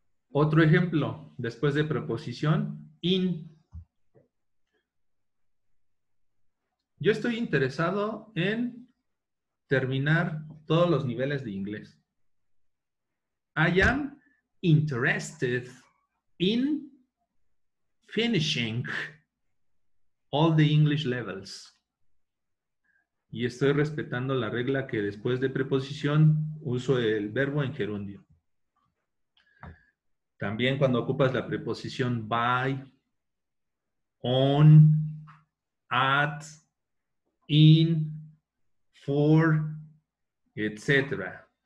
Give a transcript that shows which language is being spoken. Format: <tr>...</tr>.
<es>Otro ejemplo, después de preposición, in. Yo estoy interesado en terminar todos los niveles de inglés.</es> <en>I am interested in finishing all the English levels.</en> <es>Y estoy respetando la regla que después de preposición uso el verbo en gerundio. También cuando ocupas la preposición by, on, at, in, for, etc.</es>